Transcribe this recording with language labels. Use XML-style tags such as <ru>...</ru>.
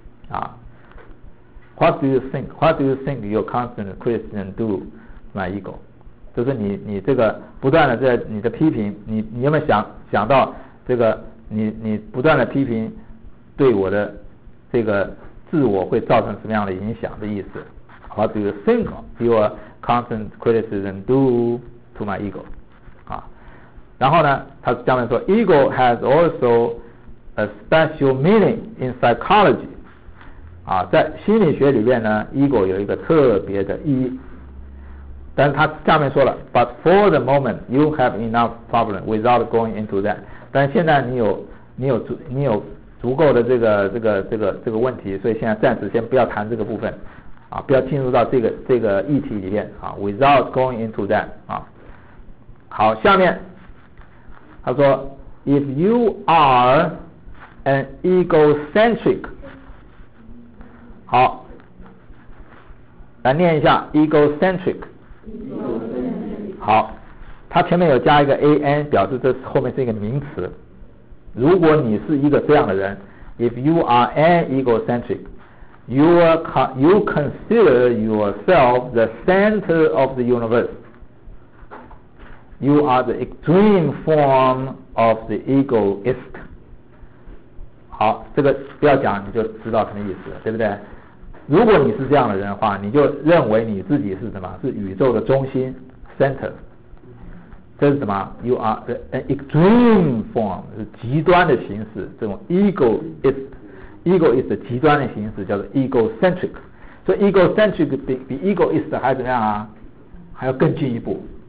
<en>啊 What do you think your constant criticism do to my ego？</en> <zh>就是你这个不断的在你的批评，你有没有想到这个你不断的批评对我的这个自我会造成什么样的影响的意思？</zh> <en>What do you think yourconstant criticism do to my ego。</en> <zh>啊，然后呢他下面说</zh> <en>ego has also a special meaning in psychology。</en> <zh>啊，在心理学里面呢 ego 有一个特别的意义，但他下面说了</zh> <en>but for the moment you have enough problem without going into that，</en> <zh>但现在你有足够的这个问题，所以现在暂时先不要谈这个部分啊，不要进入到这个议题里面啊。</zh> <en>Without going into that</en> <zh>啊，好，下面他说</zh> <en>，If you are an egocentric，</en> <zh>好，来念一下</zh> <en>egocentric。</en> <zh>好，他前面有加一个 an， 表示这后面是一个名词。如果你是一个这样的人 ，</zh> <en>If you are an egocentric。 You consider yourself the center of the universe. You are the extreme form of the egoist.</en> <zh>好，这个不要讲你就知道什么意思了，对不对？如果你是这样的人的话，你就认为你自己是什么？是宇宙的中心 center。这是什么？</zh> <en>You are an extreme form，</en> <zh>是极端的形式，这种 egoist 极端的形式叫做 egocentric， 所以 egocentric 比 egoist 还怎么样啊？还要更进一步。</zh>